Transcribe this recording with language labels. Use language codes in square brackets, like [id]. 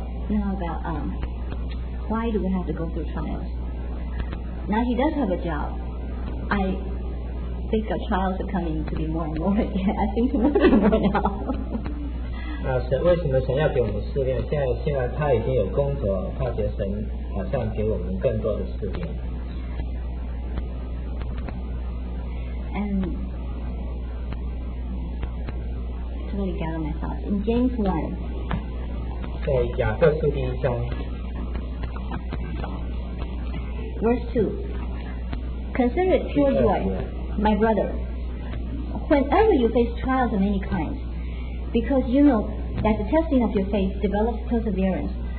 [en] now about why do we have to go through trials? Now he does have a job. I think the trials are coming to be more and more. I think more and more now. [zh] 那神为什么神要给我们试炼？现在他已经有工作，发觉神好像给我们更多的试炼。 [en] And totally gather my thoughts. In James 1, [zh] 在雅各书第一章, [en] verse 2, consider it pure joy, my brother, whenever you face trials of any kind, because you know that the testing of your faith develops perseverance.